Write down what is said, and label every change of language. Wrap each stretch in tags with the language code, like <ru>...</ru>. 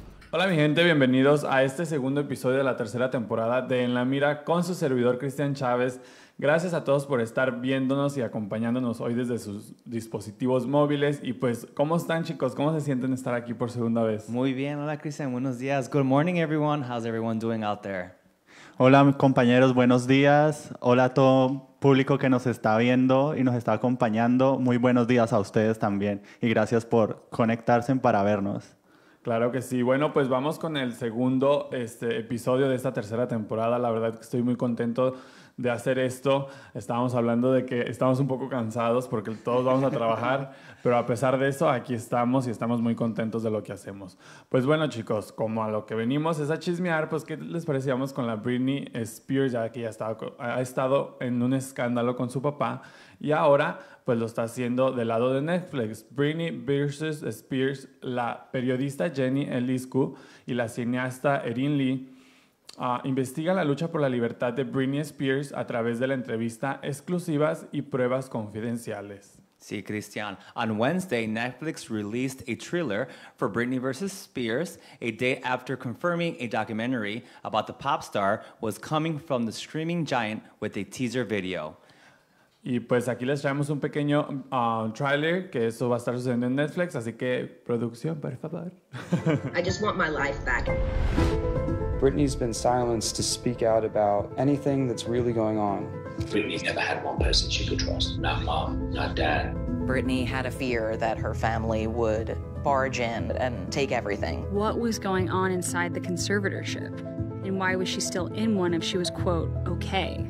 <es>Hola mi gente, bienvenidos a este segundo episodio de la tercera temporada de En la Mira con su servidor Cristian Chávez. Gracias a todos por estar viéndonos y acompañándonos hoy desde sus dispositivos móviles. Y pues, ¿cómo están chicos? ¿Cómo se sienten estar aquí por segunda vez? Muy bien, hola Cristian, buenos días.</es> <en>Good morning everyone, how's everyone doing out there?</en> <es>Hola compañeros, buenos días. Hola a todo público que nos está viendo y nos está acompañando. Muy buenos días a ustedes también y gracias por conectarse para vernos. Claro que sí. Bueno, pues vamos con el segundo episodio de esta tercera temporada. La verdad que estoy muy contento de hacer esto. Estábamos hablando de que estamos un poco cansados porque todos vamos a trabajar, pero a pesar de eso, aquí estamos y estamos muy contentos de lo que hacemos. Pues bueno, chicos, como a lo que venimos es a chismear, pues ¿qué les parecíamos con la Britney Spears, ya que ya ha estado en un escándalo con su papá y ahora pues lo está haciendo del lado de Netflix? Britney vs. Spears, la periodista Jenny Eliscu y la cineasta Erin Lee investigan la lucha por la libertad de Britney Spears a través de la entrevista exclusivas y pruebas confidenciales. Sí,</es> <en>Cristian. On Wednesday, Netflix released a trailer for Britney vs. Spears, a day after confirming a documentary about the pop star was coming from the streaming giant with a teaser video.</en> <es>Y pues aquí les traemos un pequeño trailer que eso va a estar sucediendo en Netflix, así que producción, por favor.</es> <en>I just want my life back. Britney's been silenced to speak out about anything that's really going on. Britney's never had one person she could trust. Not mom, not dad. Britney had a fear that her family would barge in and take everything. What was going on inside the conservatorship? And why was she still in one if she was, quote, okay?</en>